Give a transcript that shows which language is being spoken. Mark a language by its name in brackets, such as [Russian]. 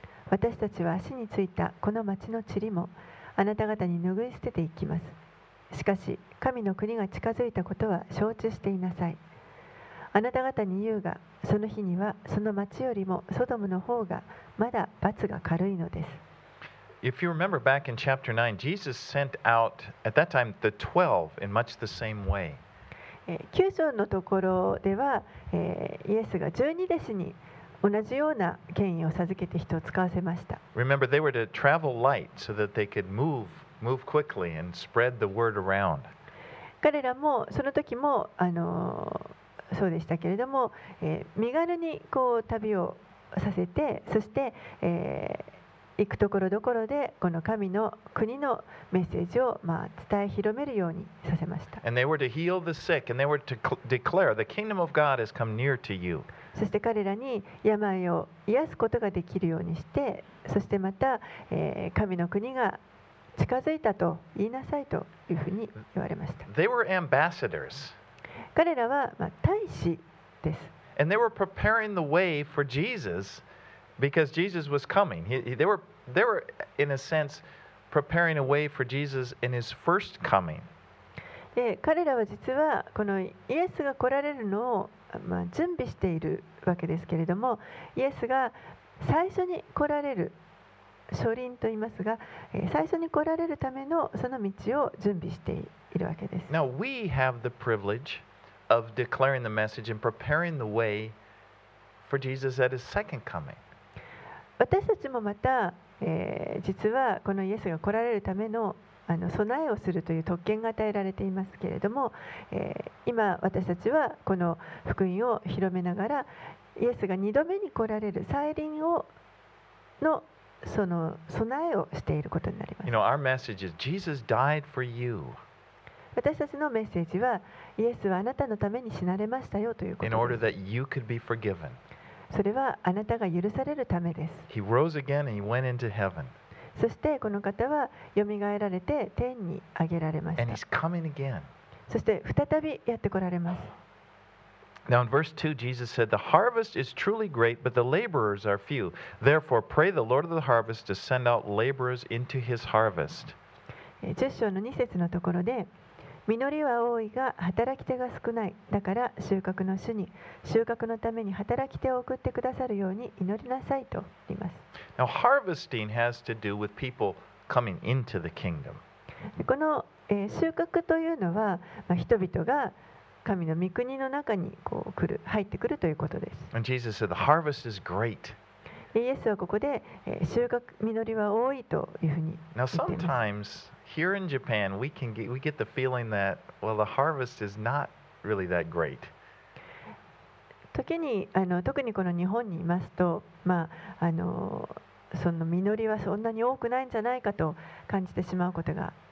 [Japanese] 私たちは足についたこの町の塵もあなた方に拭い捨てていきます。しかし神の国が近づいたことは承知していなさい。あなた方に言うが、その日にはその町よりもソドムの方がまだ罰が軽いのです。 [English] If you remember back in chapter 9, Jesus sent out at that time the 12 in much the same way. [Japanese] 九章のところでは、イエスが十二弟子に同じような権威を授けて人を使わせました。 [English] Remember, they were to travel light so that they could move quickly and spread the word around. [Japanese] 彼らもその時もそうでしたけれども、身軽にこう旅をさせて、そして、行くところどころでこの神の国のメッセージを、まあ、伝え広めるようにさせました。 [English] And they were to heal the sick, and they were to declare the kingdom of God has come near to you. [Japanese] そして彼らに病を癒すことができるようにして、そしてまた、神の国が近づいたと言いなさいというふうに言われました。 [English] They were ambassadors. [Japanese] 彼らは、まあ、大使です。 [English] And they were preparing the way for Jesus because Jesus was coming. They were in a sense preparing a way for Jesus in his first coming. [Japanese] で、彼らは実はこのイエスが来られるのを、まあ、準備しているわけですけれども、イエスが最初に来られる初臨と言いますが、最初に来られるためのその道を準備しているわけです。 [English] Now we have the privilege of declaring the message and preparing the way for Jesus at his second coming. [Japanese] 私たちもまた、実はこのイエスが来られるため の, あの備えをするという特権が与えられていますけれども、今私たちはこの福音を広めながら、イエスが2度目に来られる再臨をのその備えをしていることになります。 [English] You know, our message is Jesus died for you. [Japanese] 私たちのメッセージは、イエスはあなたのために死なれましたよということ。 [English] In order that you could be forgiven. [Japanese] それはあなたが許されるためです。 [English] He rose again and he went into heaven. [Japanese] そしてこの方はよみがえられて天に上げられました。 [English] And he's coming again. [Japanese] そして再びやって来られます。 [English] Now in verse 2, Jesus said, The harvest is truly great, but the laborers are few. Therefore, pray the Lord of the harvest to send out laborers into his harvest. [Japanese] 10章の2節のところで、実りは多いが働き手が少ない。だから収穫の主に収穫のために働き手を送ってくださるように祈りなさいと言います。 [English] Now harvesting has to do with people coming into the kingdom. [Japanese] この、収穫というのは、まあ、人々が神の御国の中にこう来る入ってくるということです。 [English] And Jesus said, "The harvest is great." [Japanese] イエスはここで、収穫実りは多いというふうに言っています。 [English] Now sometimes here in Japan we get the feeling that well the harvest is not really that great. [Japanese] 時に特にこの日本にいますと、まあその実りはそんなに多くないんじゃないかと感じてしまうことが。